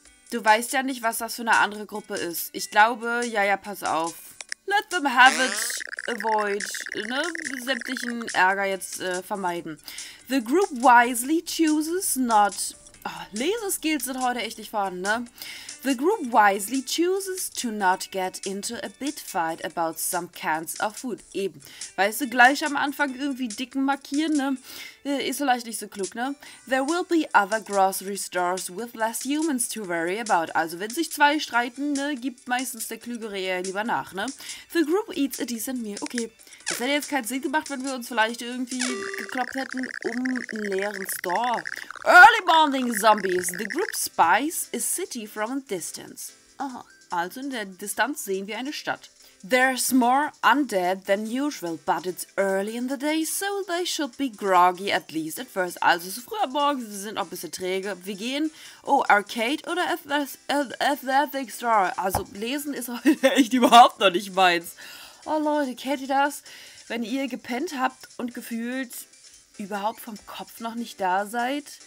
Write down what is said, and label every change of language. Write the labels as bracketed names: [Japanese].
[German] Du weißt ja nicht, was das für eine andere Gruppe ist. Ich glaube, ja, pass auf. [English] Let them have it, avoid, [German] ne, sämtlichen Ärger jetzt vermeiden. [English] The group wisely chooses not... [German] Oh, Leseskills sind heute echt nicht vorhanden, ne? [English] The group wisely chooses to not get into a bit fight about some cans of food. [German] Eben. Weißt du, gleich am Anfang irgendwie dicken markieren, ne? Ist vielleicht nicht so klug, ne? [English] There will be other grocery stores with less humans to worry about. [German] Also, wenn sich zwei streiten, ne, gibt meistens der Klügere eher lieber nach, ne? [English] The group eats a decent meal. [German] Okay. Das hätte jetzt keinen Sinn gemacht, wenn wir uns vielleicht irgendwie gekloppt hätten um einen leeren Store. [English] Early morning zombies. The group spies a city from a distance. Aha. [German] Also in der Distanz sehen wir eine Stadt. [English] There's more undead than usual, but it's early in the day, so they should be groggy at least at first. [German] Also so früh am Morgen, sie sind auch ein bisschen träge. Wir gehen, oh, Arcade oder Athletic Store. Also lesen ist heute echt überhaupt noch nicht meins. Oh Leute, kennt ihr das? Wenn ihr gepennt habt und gefühlt überhaupt vom Kopf noch nicht da seid...